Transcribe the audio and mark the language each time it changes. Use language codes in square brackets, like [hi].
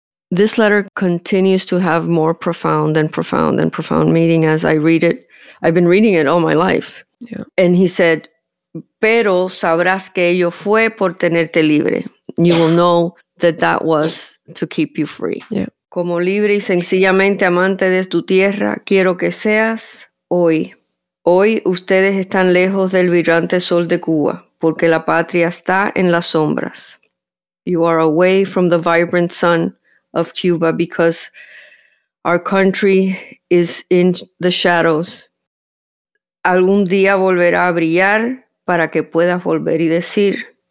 [en] This letter continues to have more profound and profound and profound meaning as I read it. I've been reading it all my life. Yeah. [es] And he said, pero sabrás que ello fue por tenerte libre. [en] You will know that that was to keep you free. Yeah. [es] Como libre y sencillamente amante de tu tierra, quiero que seas hoy. Hoy ustedes están lejos del vibrante sol de Cuba, porque la patria está en las sombras. [en] You are away from the vibrant sun of Cuba because our country is in the shadows. [es] Algún día volverá a brillar para que puedas volver y decir.